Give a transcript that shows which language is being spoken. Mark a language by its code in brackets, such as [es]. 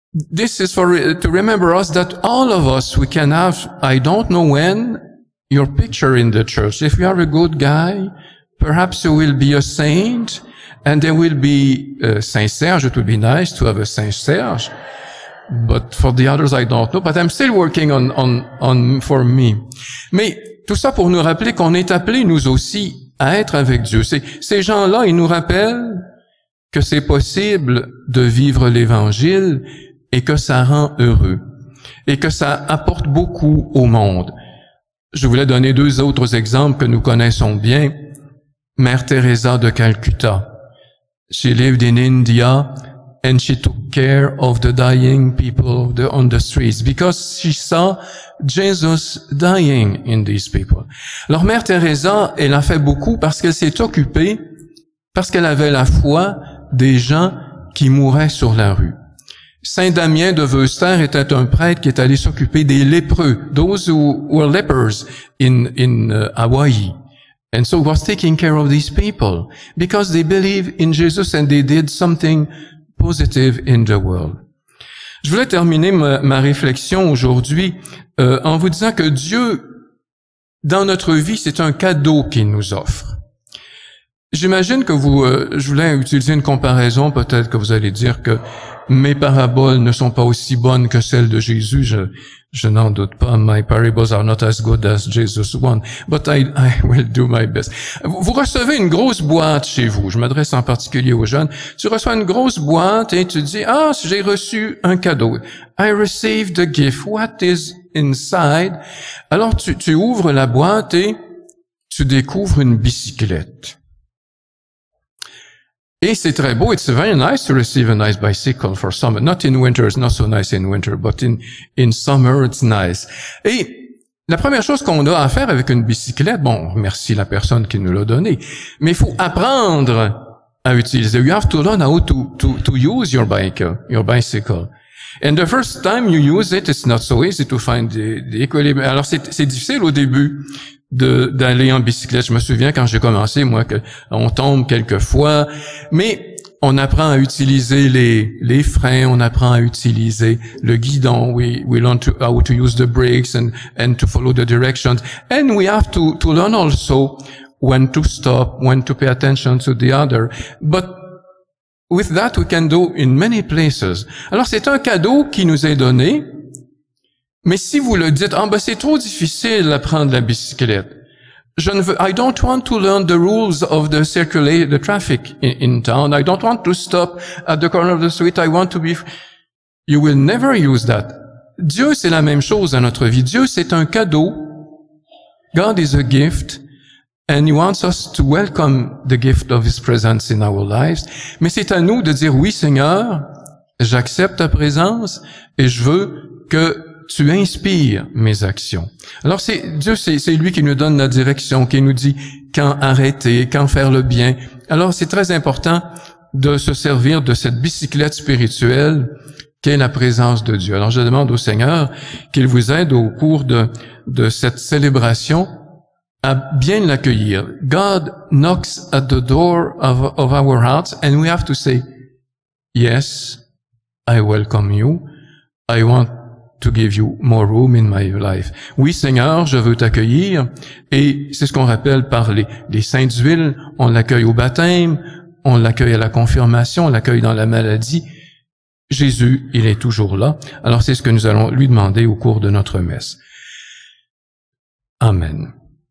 [en] This is to remember us that all of us, we can have, I don't know when, your picture in the church. If you are a good guy, perhaps you will be a saint, and there will be Saint Serge. It would be nice to have a Saint Serge, but for the others, I don't know. But I'm still working on for me. [fr] Mais tout ça pour nous rappeler qu'on est appelés nous aussi à être avec Dieu. Ces gens-là, ils nous rappellent que c'est possible de vivre l'Évangile et que ça rend heureux et que ça apporte beaucoup au monde. Je voulais donner deux autres exemples que nous connaissons bien. Mère Teresa de Calcutta. [en] She lived in India and she took care of the dying people on the streets because she saw Jesus dying in these people. [fr] Alors, Mère Teresa, elle a fait beaucoup parce qu'elle s'est occupée, parce qu'elle avait la foi des gens qui mouraient sur la rue. Saint Damien de Veuster était un prêtre qui est allé s'occuper des lépreux, [en] those who were lepers in Hawaii. And so was taking care of these people because they believe in Jesus and they did something positive in the world. [fr] Je voulais terminer ma réflexion aujourd'hui en vous disant que Dieu, dans notre vie, c'est un cadeau qu'il nous offre. J'imagine que je voulais utiliser une comparaison, peut-être que vous allez dire que mes paraboles ne sont pas aussi bonnes que celles de Jésus, je n'en doute pas. [en] My parables are not as good as Jesus' one, but I will do my best. [fr] Vous recevez une grosse boîte chez vous, je m'adresse en particulier aux jeunes, tu reçois une grosse boîte et tu dis, ah, j'ai reçu un cadeau. [en] I received a gift, what is inside? [fr] Alors tu ouvres la boîte et tu découvres une bicyclette. Et c'est très beau. [en] It's very nice to receive a nice bicycle for summer. Not in winter, it's not so nice in winter, but in summer, it's nice. [fr] Et la première chose qu'on a à faire avec une bicyclette, bon, merci la personne qui nous l'a donnée, mais il faut apprendre à utiliser. [en] You have to learn how to use your bicycle. And the first time you use it, it's not so easy to find the equilibrium. [fr] Alors, c'est difficile au début d'aller en bicyclette. Je me souviens quand j'ai commencé, moi, qu'on tombe quelquefois, mais on apprend à utiliser les freins, on apprend à utiliser le guidon. [en] We learn how to use the brakes and to follow the directions. And we have to learn also when to stop, when to pay attention to the other. But with that, we can do in many places. [fr] Alors, c'est un cadeau qui nous est donné. Mais si vous le dites, ah, ben, c'est trop difficile à prendre la bicyclette. [en] I don't want to learn the rules of the circulate the traffic in town. I don't want to stop at the corner of the street. I want to be. You will never use that. [fr] Dieu, c'est la même chose à notre vie. Dieu, c'est un cadeau. [en] God is a gift, and He wants us to welcome the gift of His presence in our lives. [fr] Mais c'est à nous de dire oui, Seigneur, j'accepte ta présence et je veux que tu inspires mes actions. Alors c'est Dieu, c'est lui qui nous donne la direction, qui nous dit quand arrêter, quand faire le bien. Alors c'est très important de se servir de cette bicyclette spirituelle qu'est la présence de Dieu. Alors je demande au Seigneur qu'il vous aide au cours de cette célébration à bien l'accueillir. [en] God knocks at the door of our hearts and we have to say, yes, I welcome you. I want to give you more room in my life. [fr] Oui, Seigneur, je veux t'accueillir. Et c'est ce qu'on rappelle par les saintes huiles. On l'accueille au baptême. On l'accueille à la confirmation. On l'accueille dans la maladie. Jésus, il est toujours là. Alors, c'est ce que nous allons lui demander au cours de notre messe. Amen.